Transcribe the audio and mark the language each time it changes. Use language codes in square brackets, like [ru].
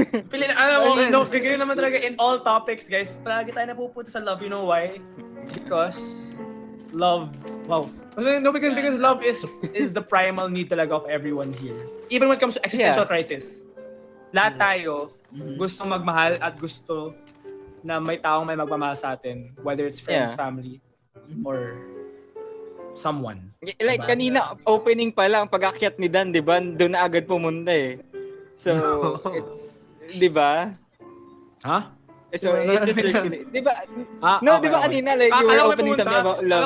[tl] Pilin, alam mo, no, figure naman talaga [en] in all topics, [tl] guys. Palagi tayo napupunta sa love. [en] You know why? Because love. Wow. No, because love is the primal need talaga of everyone here. Even when it comes to existential crisis. [tl] Lahat tayo gusto magmahal at gusto na may taong may magmamahal sa atin. [en] Whether it's friends, family, or someone. [tl] Like diba? Kanina, opening pa lang, pag-akyat ni Dan, di ba? Doon na agad pumunta eh. [en] So, it's, di ba? Ha? So, it's just circulating. Di ba? No, okay, di ba kanina, okay. Like, you were opening something about love.